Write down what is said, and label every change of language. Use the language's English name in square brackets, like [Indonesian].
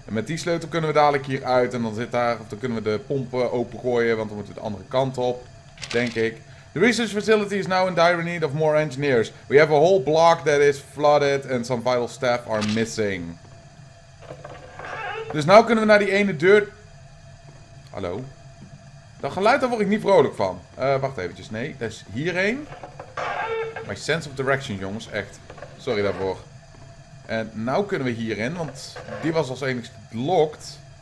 [Dutch] En met die sleutel kunnen we dadelijk hier uit. En dan zit daar, of dan kunnen we de pompen opengooien. Want dan moeten we de andere kant op. Denk ik. [English] The research facility is now in dire need of more engineers. We have a whole block that is flooded. And some vital staff are missing. [Dutch] Dus nou kunnen we naar die ene deur. Hallo. Dat geluid, daar word ik niet vrolijk van. Wacht eventjes. Nee, dat is hierheen. [English] My sense of direction, [Dutch] jongens. Echt. Sorry daarvoor. En nou kunnen we hierin, want die was als enigste locked.